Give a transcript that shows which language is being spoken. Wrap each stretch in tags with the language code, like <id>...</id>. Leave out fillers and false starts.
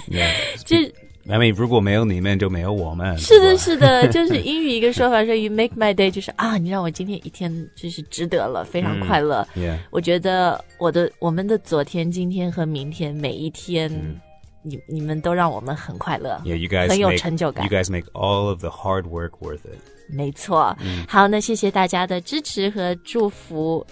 <en>Yeah. I mean,</en> <zh>如果没有你们就没有我们。是的是的，就是英语一个说法说</zh> <en>you make my day,</en> <zh>就是啊你让我今天一天就是值得了，非常快乐。我觉得我们的昨天今天和明天每一天你们都让我们很快乐。</zh> <en>Yeah, you guys</en> <zh>很有成就感。</zh> <en>You guys make all of the hard work worth it.</en> <zh>没错。好，那谢谢大家的支持和祝福。</zh>